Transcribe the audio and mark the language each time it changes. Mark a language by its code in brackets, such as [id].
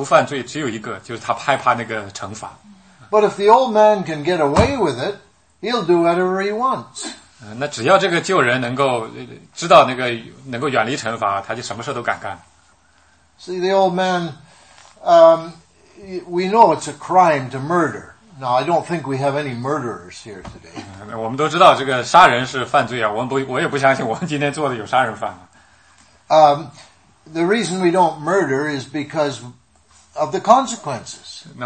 [zh] 那旧人唯一的原因他不犯罪只有一个，就是他害怕那个惩罚。 [en] But if the old man can get away with it, he'll do whatever he wants. [zh] 那只要这个旧人能够知道那个能够远离惩罚，他就什么事都敢干。 [en] See the old man. We know it's a crime to murder. Now, I don't think we have any murderers here today. [zh] 我们都知道这个杀人是犯罪啊，我也不相信我们今天做的有杀人犯。 [en] The reason we don't murder is because of the consequences.